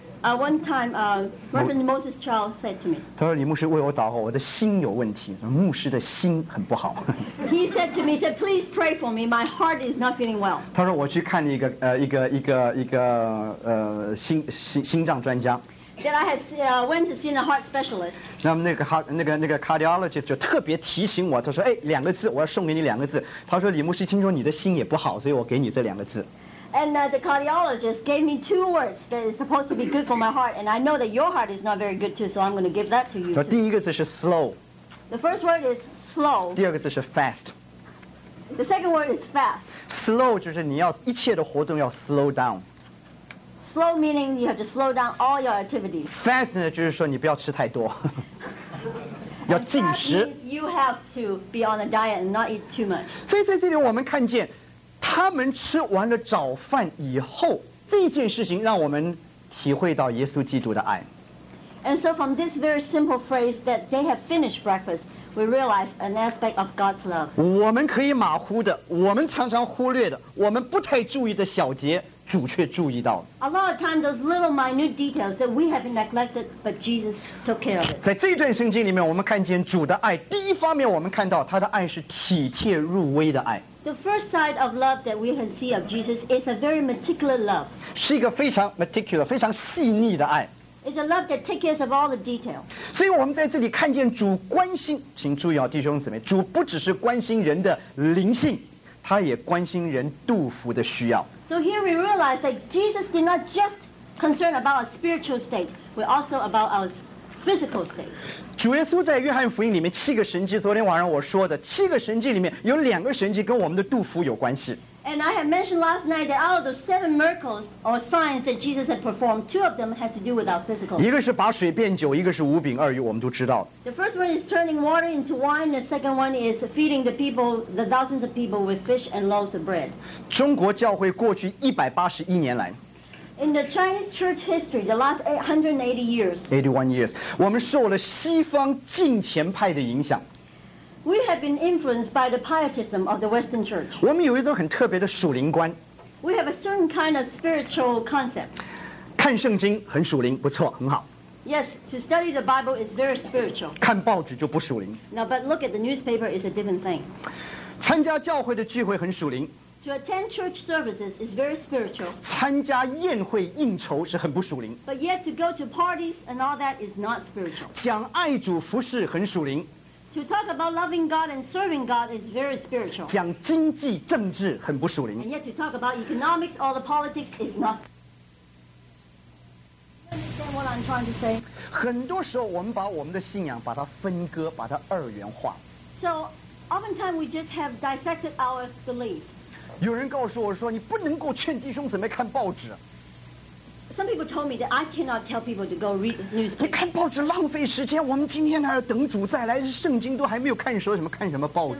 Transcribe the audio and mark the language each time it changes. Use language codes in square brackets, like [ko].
[en] One time, Reverend Moses Child said to me. [zh] 他说：“李牧师为我祷告，我的心有问题，牧师的心很不好。 [en] ”He said to me, "said Please pray for me. My heart is not feeling well." [zh] 他说：“我去看了一个心脏专家。” [en] That I have went to see a heart specialist. [zh] 那么那个 cardiologist 就特别提醒我，他说：“哎，两个字，我要送给你两个字。” 他说：“李牧师，听说你的心也不好，所以我给你这两个字。” [en] And the cardiologist gave me two words that is supposed to be good for my heart, and I know that your heart is not very good too, so I'm going to give that to you. [zh] 说第一个字是 slow. [en] The first word is slow. [zh] 第二个字是 fast. [en] The second word is fast. [zh] Slow 就是你要一切的活动要 [en] slow down. Slow meaning you have to slow down all your activities. [zh] Fast 呢就是说你不要吃太多，要进食。 [en] You have to be on a diet and not eat too much. [zh] 所以在这里我们看见，他们吃完了早饭以后，这件事情让我们体会到耶稣基督的爱。 [en] And so from this very simple phrase that they have finished breakfast. We realize an aspect of God's love. [zh] 我们可以马虎的，我们常常忽略的，我们不太注意的小节，主却注意到了。 [en] A lot of times, those little minute details that we have neglected, but Jesus took care of it. [zh] 在这段圣经里面，我们看见主的爱。第一方面，我们看到他的爱是体贴入微的爱。 [en] The first side of love that we can see of Jesus is a very meticulous love. [zh] 是一个非常 meticulous, 非常细腻的爱。 [en] It's a love that takes care of all the detail. [zh] 所以我们在这里看见主关心，请注意啊，弟兄姊妹，主不只是关心人的灵性，他也关心人肚腹的需要。 [en] So here we realize that Jesus did not just concern about our spiritual state, but also about our physical state. [zh] 主耶稣在约翰福音里面七个神迹，昨天晚上我说的七个神迹里面有两个神迹跟我们的肚腹有关系。 [en] And I have mentioned last night that out of the seven miracles or signs that Jesus had performed, two of them has to do with our physical. [zh] 一个是把水变酒，一个是五饼二鱼，我们都知道。 [en] The first one is turning water into wine. The second one is feeding the thousands of people with fish and loaves of bread. [zh] 中国教会过去181年来。 [en] In the Chinese church history, the last 180 years. 81 years. [zh] 我们受了西方近前派的影响。 [en] We have been influenced by the pietism of the Western Church. [zh] 我们有一种很特别的属灵观。 [en] We have a certain kind of spiritual concept. [zh] 看圣经很属灵，不错，很好。 [en] Yes, to study the Bible is very spiritual. [zh] 看报纸就不属灵。 [en] No, but look at the newspaper is a different thing. [zh] 参加教会的聚会很属灵。 [en] To attend church services is very spiritual. [zh] 参加宴会应酬是很不属灵。 [en] But yet to go to parties and all that is not spiritual. [zh] 讲爱主服事很属灵。 [en] To talk about loving God and serving God is very spiritual. [zh] 讲经济政治很不属灵。 [en] And yet to talk about economics or the politics is not spiritual. Understand what I'm trying to say? [zh] 很多时候我们把我们的信仰把它分割，把它二元化。 [en] So, oftentimes we just have dissected our beliefs. [zh] 有人告诉我说你不能够劝弟兄姊妹看报纸。 [en] Some people told me that I cannot tell people to go read the newspaper. [zh] 你看报纸浪费时间，我们今天还要等主再来，圣经都还没有看，说什么看什么报纸。